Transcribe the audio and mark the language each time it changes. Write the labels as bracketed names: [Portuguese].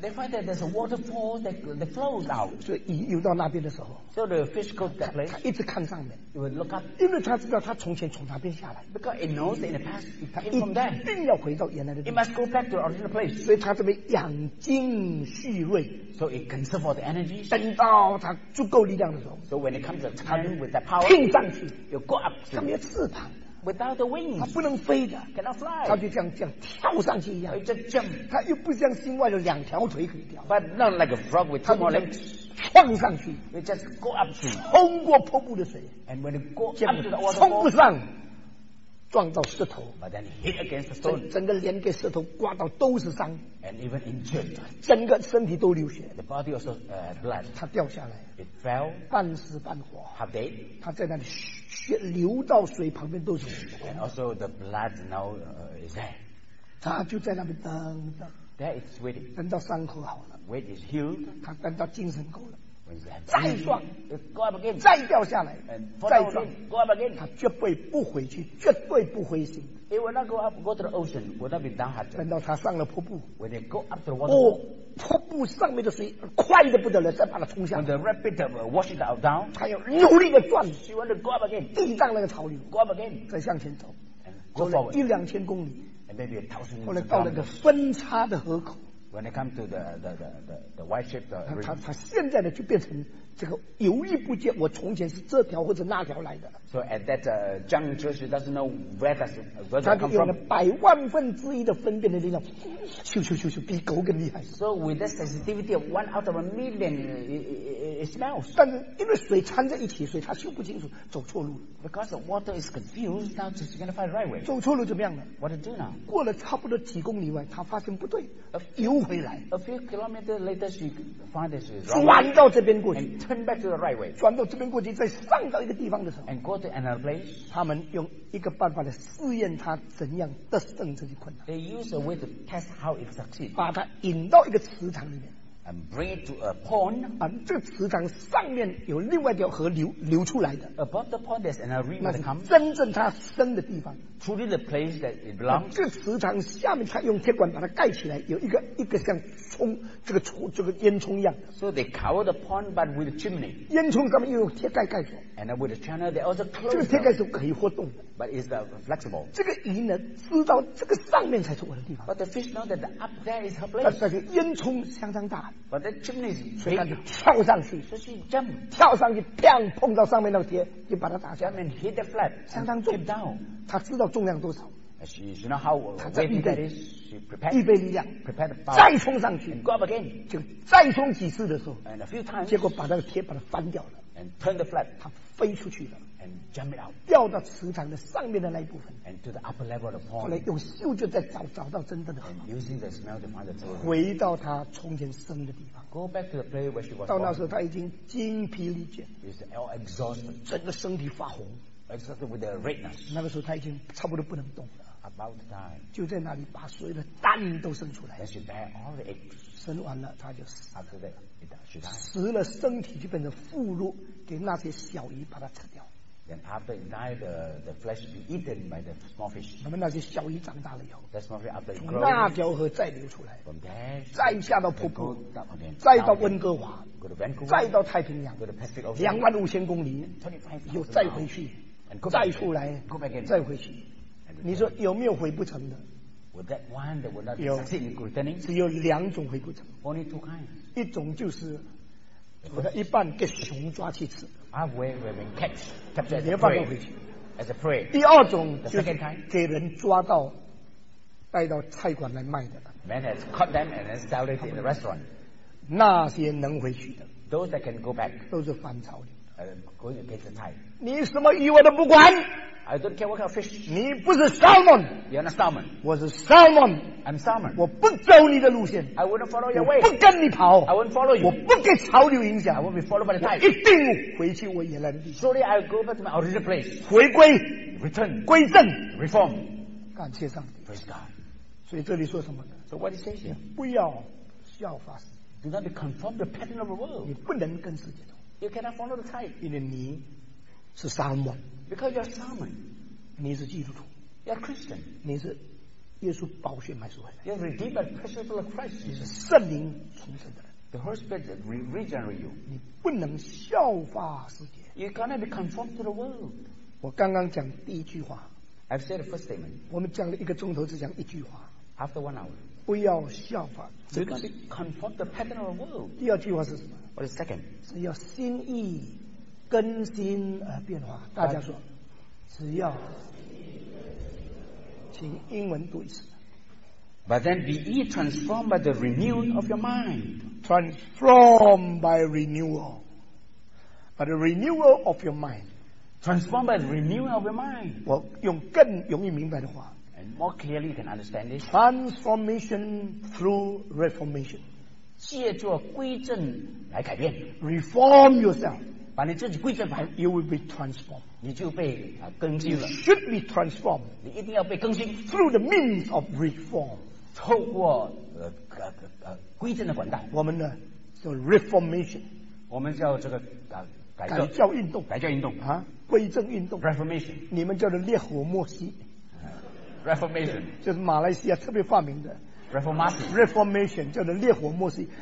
[English] They find that there's a waterfall. That flows out. [Chinese] 所以游到那边的时候 [English] ，So the fish goes that place. [Chinese] 他一直看上面 [English] ，It will look up. [Chinese] 因为他知道他从前从那边下来 [English] ，Because it knows in the past it came from there. [Chinese] 一定要回到原来的。 [English] It must go back to the original place. [Chinese] 所以他这边养精蓄锐 [English] ，So it conserves all the energy. [Chinese] 等到他足够力量的时候 [English] ，So when it comes to time with that power, [Chinese] 挺上去 [English] ，You go up. [Chinese] 上面翅膀。 [English] Without the wings, [Chinese] 它不能飞的 [English] ，cannot fly。 [Chinese] 它就这样跳上去一样 [English] ，it just jump。 [Chinese] 它又不像青蛙有两条腿可以跳 [English] ，but not like a frog with two more legs。 [Chinese] 撞上去 [English] ，it just go up to， [Chinese] 冲过瀑布的水 [English] ，and when it go up to the waterfall， [Chinese] 冲不上，撞到石头 [English] ，but then hit against the stone， [Chinese] 整个脸给石头刮到都是伤 [English] ，and even injured， [Chinese] 整个身体都流血 [English] ，the body also blood。 [Chinese] 它掉下来 [English] ，it fell， [Chinese] 半死半活 [English] ，half dead。 [Chinese] 它在那里嘘。血流到水旁边都是红的。 [English] And also the blood now is there. [Chinese] 他就在那边等等。 [English] There it's waiting. [Chinese] 等到伤口好了。 [English] Wait is healed. [Chinese] 他等到精神够了。 [English] When is that? [Chinese] 再撞。 [English] Go up again. [Chinese] 再掉下来。再撞。 [English] Go up again. [Chinese] 他绝对不回去，绝对不灰心。 [English] It will not go up, go to the ocean. Will not be downhearted. [Chinese] 等到他上了瀑布。 [English] When they go up to the water. [Chinese] 瀑布上面的水快得不得了，再把它冲下。 [English] And the rapid wash it out down. [Chinese] 他要努力的转。 [English] She want to go up again. [Chinese] 抵挡那个潮流。 [English] Go up again. [Chinese] 再向前走。 [English] Go forward. [Chinese] 一两千公里。 [English] And maybe 1,000 kilometers. [Chinese] 后来到了个分叉的河口。 [English] When they come to the white ship, [Chinese] 他现在呢就变成这个犹豫不决。我从前是这条或者那条来的。 [English] So at that juncture, she doesn't know where that come from. [Chinese] 他就有了百万分之一的分辨的力量，咻，比狗更厉害。 [English] So with the sensitivity of one out of a million, it smells. [Chinese] 但是因为水掺在一起，所以他嗅不清楚，走错路。 [English] Because the water is confused, now she's gonna find the right way. [Chinese] 走错路怎么样呢 [English] ？What to do now? [Chinese] 过了差不多几公里外，他发现不对。 [English] A few kilometers later, she finds she's wrong. [Chinese] 转到这边过去 [English] ，and turn back to the right way. [Chinese] 转到这边过去，再上到一个地方的时候 [English] ，and go to another place. [Chinese] 他们用一个办法来试验他怎样得胜这些困难。 [English] They use a way to test how it succeeds. [Chinese] 把它引到一个池塘里面 [English] ，and bring it to a pond. [Chinese] 啊，这个池塘上面有另外一条河流出来的。 [English] Above the pond, there's another river that comes. [Chinese] 真正它生的地方。 [English] Truly the place that it belongs. [Chinese] 这个池塘下面，他用铁管把它盖起来，有一个像冲这个烟囱一样。 [English] So they cover the pond, but with a chimney. [Chinese] 烟囱上面又有铁盖盖住。 [English] And with the channel, they also close. [Chinese] 这个铁盖是可以活动的。 [English] But it's flexible. [Chinese] 这个鱼呢，知道这个上面才是我的地方。 [English] But the fish know that up there is her place. [Chinese] 但是烟囱相当大。看。 [English] But the chimney is big. [Chinese] 所以他就跳上去。 [English] So she jump. [Chinese] 跳上去，砰，碰到上面那个铁，就把它打下。 [English] I mean, hit the flat. [Chinese] 相当重。 [English] Keep down. [Chinese] 他知道重量多少。 [English] She you know how weighty that is. She prepared. [Chinese] 预备力量。 [English] Prepare the power. [Chinese] 再冲上去。 [English] And go up again. [Chinese] 就再冲几次的时候。 [English] And a few times. [Chinese] 结果把那个铁把它翻掉了。 [English] And turn the flat. [Chinese] 它飞出去了。 [English] And jump it out. [Chinese] 掉到磁场的上面的那一部分。 [English] And to the upper level of the pond. [Chinese] 后来用嗅觉再找到真正的河马。 [English] And using the smell to find the true. [Chinese] 回到他从前生的地方。 [English] Go back to the place where she was. [Chinese] 到那时候他已经精疲力竭。 [English] He's all exhausted. [Chinese] 整个身体发红。 [English] Exhausted with the redness. [Chinese] 那个时候他已经差不多不能动了。 [English] About time. [Chinese] 就在那里把所有的蛋都生出来。 [English] And she bare all the eggs. [Chinese] 生完了他就死 [English] 了。After that, she died. [Chinese] 死了身体就变成腐肉，给那些小鱼把它吃掉。 [English] Then after it died, the flesh be eaten by the small fish. [Chinese] 那么那些小鱼长大了以后，那 [English] small fish after it grows, [Chinese] 从那条河再流出来， [English] from there, [Chinese] 再下到瀑布， [English] okay, [Chinese] 再到温哥华， [English] go to Vancouver, [Chinese] 再到太平洋， [English] go to Pacific Ocean, [Chinese] 25,000公里， 25, 又再回去， [English] and go back, [Chinese] 再出来， [English] go back again, [Chinese] 再回去。你说有没有回不成的？ [English] With that one that will not succeed in returning, [Chinese] 只有两种回不成。 [English] Only two kinds. [Chinese] 一种就是我的一半给熊抓去吃。 [English] Halfway we've been captured as a prey. [Chinese] 第二种就是给人抓到带到菜馆来卖的。 [English] Man has caught them and then sell it in the restaurant. [Chinese] 那些能回去的。 [English] Those that can go back. [Chinese] 都是反潮流。 [English] Going against the tide. [Chinese] 你什么鱼我都不管。 [English] I don't care what kind of fish. [Chinese] 你不是 salmon. [English] You're not salmon. [Chinese] 我是 salmon. [English] I'm salmon. [Chinese] 我不走你的路线。 [English] I wouldn't follow your way. [Chinese] 我不跟你跑。 [English] I wouldn't follow you. [Chinese] 我不给潮流影响。 [English] I won't be followed by the tide. [Chinese] 一定回去我原来的地方。 [English] Surely I'll go back to my original place. [Chinese] 回归。 [English] Return. [Chinese] 归正。 [English] Reform. [Chinese] 感谢上帝。 [English] Praise God. [Chinese] 所以这里说什么呢？ [English] So what is this? [Chinese] 不要效法世界。 [English] Do not be conformed to the pattern of the world. [Chinese] 你不能跟世界走。 [English] You cannot follow the tide. [Chinese] 因为你是 salmon。 [English] Because you're salmon. [Chinese] 你是基督徒。 [English] You're Christian. [Chinese] 你是耶稣宝血买赎回来。 [English] You're redeemed by the precious blood of Christ. [Chinese] 你是圣灵重生的人。 [English] The Holy Spirit regenerate you. [Chinese] 你不能效法世界。 [English] You cannot be conformed to the world. [Chinese] 我刚刚讲第一句话。 [English] I've said the first statement. [Chinese] 我们讲了一个钟头只讲一句话。 [English] After 1 hour. [Chinese] 不要效法。 [English] You cannot be conformed to the pattern of the world. [Chinese] 第二句话是什么？ [English] What is the second? [Chinese] 是要心意。更新变化，大家说，只要，请英文读一次。 [English] But then be ye transformed by the renewing of your mind. Transformed by renewal. By the renewal of your mind. Transformed by the renewing of your mind. [Chinese] 我用更容易明白的话。 [English] And more clearly you can understand this. Transformation through reformation. [Chinese] 借助归正来改变。 [English] Reform yourself. [Chinese] 把你自己归正来， [English] you will be transformed. [Chinese] 你就被更新了。 [English] You should be transformed. [Chinese] 你一定要被更新。 [English] Through the means of reform. [Chinese] 透过归正的管道。我们呢叫 reformation. 我们叫这个改教运动。改教运动。归正运动。 [English] Reformation. [Chinese] 你们叫做烈火墨西。 [English] Reformation. [Chinese] 就是马来西亚特别发明的。 [English] Reformation. [Chinese] Reformation 叫做烈火墨西。